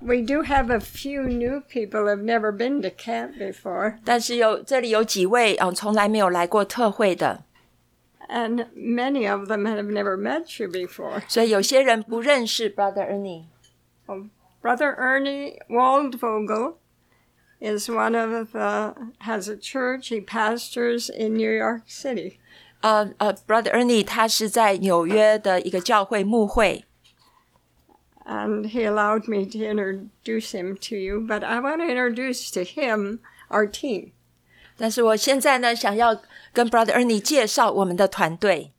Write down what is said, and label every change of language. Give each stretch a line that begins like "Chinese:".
English: We do have a few new people who've never been to camp before.
Chinese: 但是这里有几位从来没有来过特会的。
English: And many of them have never met you before.
Chinese: 所以有些人不认识 Brother Ernie.
English: Well, Brother Ernie Waldvogel is one of the, has a church, he pastors in New York City.
Chinese: Brother Ernie, 他是在纽约的一个教会牧会。
English: And he allowed me to introduce him to you, but I want to introduce to him our team.
Chinese: 但是我现在呢, 想要跟 Brother Ernie 介绍我们的团队。